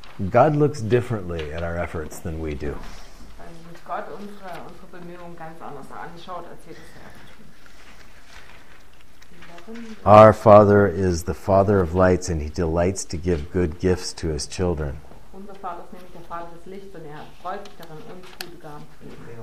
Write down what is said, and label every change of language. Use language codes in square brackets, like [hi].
[en] God looks differently at our efforts than we do. [de] Wenn Gott unsere Bemühungen ganz anders anschaut, erzählt es mir. [en] Our Father is the Father of lights, and He delights to give good gifts to His children. [de] Unser Vater ist nämlich der Vater des Lichts, und er freut sich daran, uns gute Gaben zu geben.